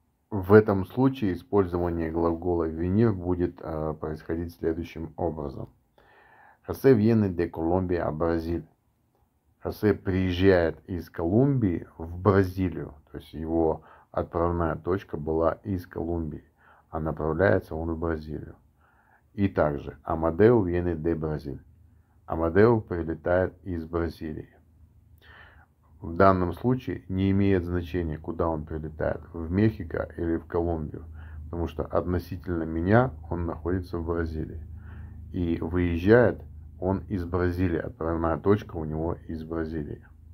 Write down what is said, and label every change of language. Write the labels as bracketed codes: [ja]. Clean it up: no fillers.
[ru] В этом случае использование глагола винир будет происходить следующим образом. [es] José viene de Colombia a Brasil. [ru] José приезжает из Колумбии в Бразилию. То есть его отправная точка была из Колумбии, а направляется он в Бразилию. И также [es] Amadeo viene de Brasil. [ru] Amadeo прилетает из Бразилии. В данном случае не имеет значения, куда он прилетает, в Мехико или в Колумбию, потому что относительно меня он находится в Бразилии. И выезжает он из Бразилии, отправная точка у него из Бразилии.